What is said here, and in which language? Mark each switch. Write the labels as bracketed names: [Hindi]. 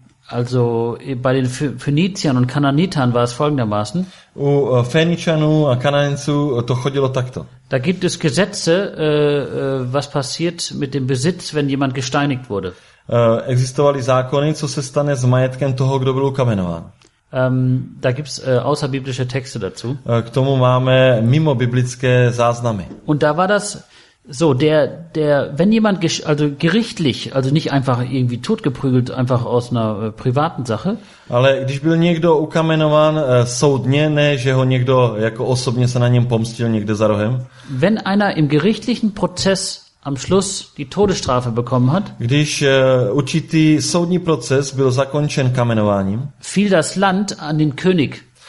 [German] Also bei den Phöniziern und Kananitern war es folgendermaßen. [Czech] U Phöniziernů a Kananinců to chodilo takto. [German] Da gibt es Gesetze, was passiert mit dem Besitz, wenn jemand gesteinigt wurde. [Czech] Existovaly zákony, co se stane s majetkem toho, kdo byl ukamenován. [German] Da gibt's außerbiblische Texte dazu. [Czech] K tomu máme mimo biblické záznamy. [German] Und da war das so, der wenn jemand also gerichtlich, also nicht einfach irgendwie totgeprügelt einfach aus einer privaten Sache. [Czech] Ale když byl někdo ukamenován soudně, ne že ho někdo jako osobně se na něm pomstil někde za rohem. [German] Wenn einer im gerichtlichen Prozess am Schluss die Todesstrafe bekommen hat. [Czech] Když určitý soudní proces byl zakončen kamenováním. [German] Fiel das Land an den König.